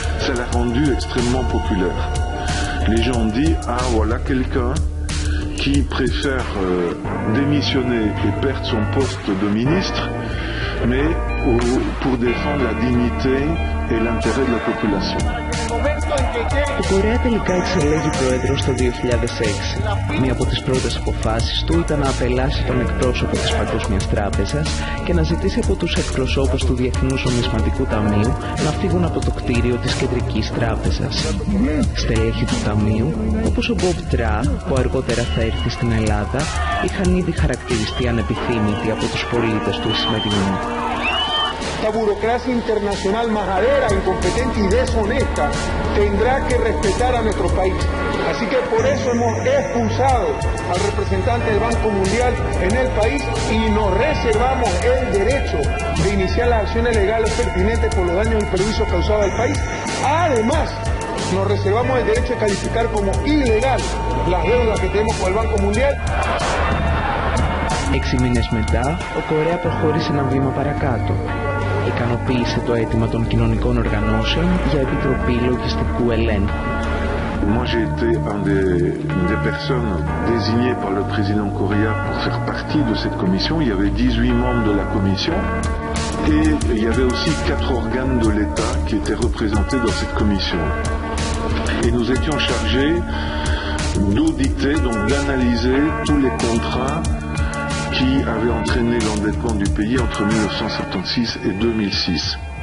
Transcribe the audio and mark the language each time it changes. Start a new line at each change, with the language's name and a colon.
French: Ça l'a rendu extrêmement populaire. Les gens ont dit, ah voilà quelqu'un qui préfère démissionner et perdre son poste de ministre, mais pour défendre la dignité et l'intérêt de la population.
Greek: Ο Κορέα τελικά εξελέγει πρόεδρος το 2006. Μία από τις πρώτες αποφάσεις του ήταν να απελάσει τον εκπρόσωπο της Παγκόσμιας Τράπεζας και να ζητήσει από τους εκπροσώπους του Διεθνούς Νομισματικού Ταμείου να φύγουν από το κτίριο της Κεντρικής Τράπεζας. Στελέχη του Ταμείου, όπως ο Μπομπ Τρά, που αργότερα θα έρθει στην Ελλάδα, είχαν ήδη χαρακτηριστεί ανεπιθύμητοι από τους πολίτες του σημερινού.
Spanish: Esta burocracia internacional majadera, incompetente y deshonesta tendrá que respetar a nuestro país. Así que por eso hemos expulsado al representante del Banco Mundial en el país y nos reservamos el derecho de iniciar las acciones legales pertinentes por los daños y perjuicios causados al país. Además, nos reservamos el derecho de calificar como ilegal las deudas que tenemos con el Banco Mundial.
Greek: 6 meses μετά, ο Κορέα προχώρησε ένα βήμα παρακάτω. Ικανοποίησε το αίτημα των κοινωνικών οργανώσεων για επιτροπή λογιστικού ελέγχου.
French: Moi j'ai été un des personnes désignées par le président Correa pour faire partie de cette commission. Il y avait 18 membres de la commission et il y avait aussi 4 organes de l'État qui étaient représentés dans cette commission. Et nous étions chargés d'auditer, donc d'analyser tous les contrats qui avait entraîné l'endettement du pays entre 1976 et 2006.